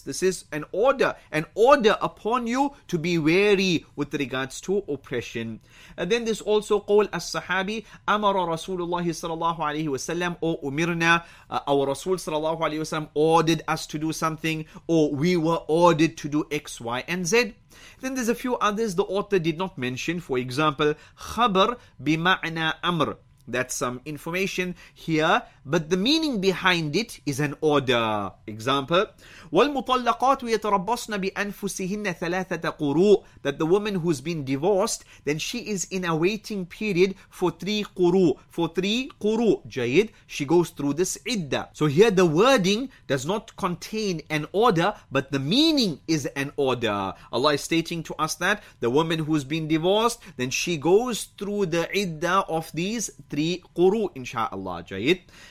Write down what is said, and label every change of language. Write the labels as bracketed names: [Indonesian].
[English] This is an order upon you to be wary with regards to oppression. And then this also قول as-sahabi, [Arabic] أمر رسول الله صلى الله عليه وسلم, [English] or أمرنا, our Rasul [Arabic] صلى الله عليه وسلم [English] ordered us to do something, or we were ordered to do X, Y, and Z. Then there's a few others the author did not mention. For example, [Arabic] خبر بمعنى أمر. [English] That's some information here, but the meaning behind it is an order. [Arabic] Example, والمطلقات يتربصن بأنفسهن ثلاثة قروء. [English] That the woman who's been divorced, then she is in a waiting period for 3 قروء. For 3 قروء, جيد, she goes through this عدّة. So here the wording does not contain an order, but the meaning is an order. Allah is stating to us that the woman who's been divorced, then she goes through the عدّة of these 3 قروء, inshallah. Jayid.